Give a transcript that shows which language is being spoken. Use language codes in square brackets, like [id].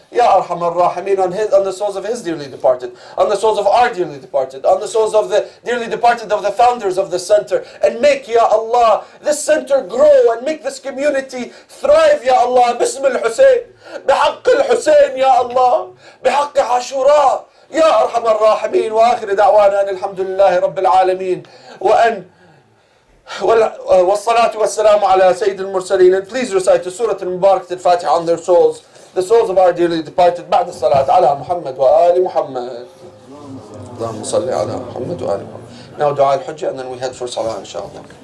[en] Ya Arhamar Rahimin, on the souls of his dearly departed, on the souls of our dearly departed, on the souls of the dearly departed of the founders of the center. And make, Ya Allah, this center grow and make this community thrive, Ya Allah. [ar] Bism al-Hussein, bihaq al-Hussein, Ya Allah, bihaq Ashura. يا أرحم الراحمين وآخر دعوانا أن الحمد لله رب العالمين وأن والصلاة والسلام على سيد المرسلين. [en] And please recite the [ar] سورة المباركة الفاتحة [en] on their souls, the souls of our dearly departed, [ar] بعد الصلاة على محمد وآل محمد. اللهم صل على محمد وآل محمد. [en] Now [ar] دعاء الحجة [en] and then we head for [ar] صلاة إن شاء الله.